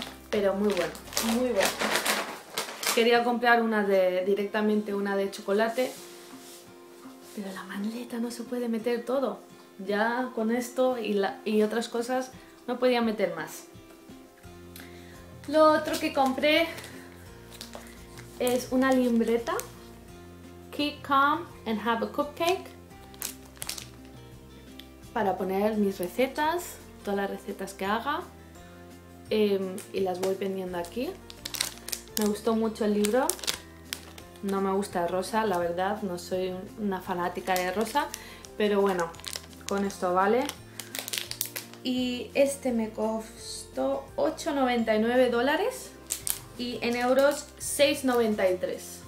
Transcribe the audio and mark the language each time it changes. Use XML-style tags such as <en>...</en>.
<es>Pero muy bueno, muy bueno. Quería comprar directamente una de chocolate, pero la maleta no se puede meter todo. Ya con esto y otras cosas no podía meter más. Lo otro que compré es una libreta.</es> <en>Keep calm and have a cupcake.</en> <es>Para poner mis recetas, todas las recetas que haga. Y las voy vendiendo aquí. Me gustó mucho el libro. No me gusta rosa, la verdad. No soy una fanática de rosa. Pero bueno, con esto vale. Y este me costó 8,99 dólares y en euros 6,93.</es>